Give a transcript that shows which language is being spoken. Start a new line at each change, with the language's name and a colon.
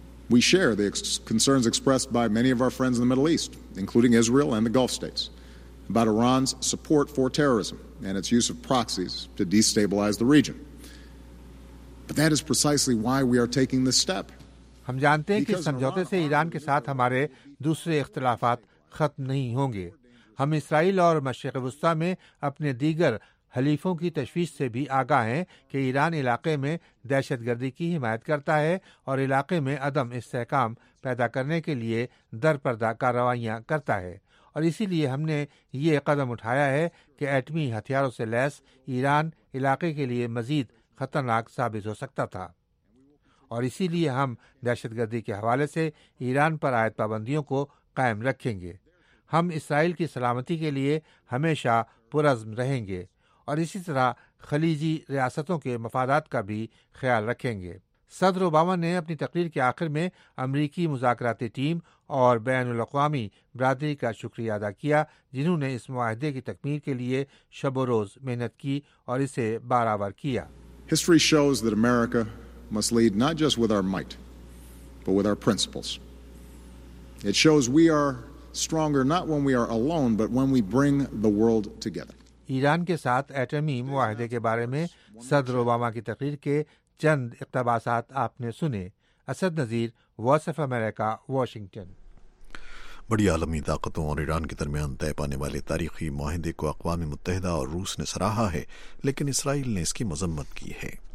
English: We share the concerns expressed by many of our friends in the Middle East, including Israel and the Gulf states, about Iran's support for terrorism and its use of proxies to destabilize the region. But that is precisely why we are taking this step.
Urdu: ہم جانتے ہیں کہ سمجھوتے سے ایران کے ساتھ ہمارے دوسرے اختلافات ختم نہیں ہوں گے۔ ہم اسرائیل اور مشرق وسطی میں اپنے دیگر حلیفوں کی تشویش سے بھی آگاہ ہیں کہ ایران علاقے میں دہشت گردی کی حمایت کرتا ہے اور علاقے میں عدم استحکام پیدا کرنے کے لیے درپردہ کارروائیاں کرتا ہے اور اسی لیے ہم نے یہ قدم اٹھایا ہے کہ ایٹمی ہتھیاروں سے لیس ایران علاقے کے لیے مزید خطرناک ثابت ہو سکتا تھا اور اسی لیے ہم دہشت گردی کے حوالے سے ایران پر عائد پابندیوں کو قائم رکھیں گے۔ ہم اسرائیل کی سلامتی کے لیے ہمیشہ پرعزم رہیں گے اور اسی طرح خلیجی ریاستوں کے مفادات کا بھی خیال رکھیں گے۔ صدر اوباما نے اپنی تقریر کے آخر میں امریکی مذاکراتی ٹیم اور بین الاقوامی برادری کا شکریہ ادا کیا جنہوں نے اس معاہدے کی تکمیل کے لیے شب و روز محنت کی اور اسے برابر کیا۔
English: History shows that America must lead not just with our might, but with our principles. It shows we are stronger not when we are alone, but when we bring the world together.
Urdu: Iran کے ساتھ ایٹمی معاہدے کے بارے میں صدر Obama کی تقریر کے چند اقتباسات آپ نے سنے۔ Asad Nazir, voice of America, Washington. بڑی عالمی طاقتوں اور ایران کے درمیان طے پانے والے تاریخی معاہدے کو اقوام متحدہ اور روس نے سراہا ہے، لیکن اسرائیل نے اس کی مذمت کی ہے۔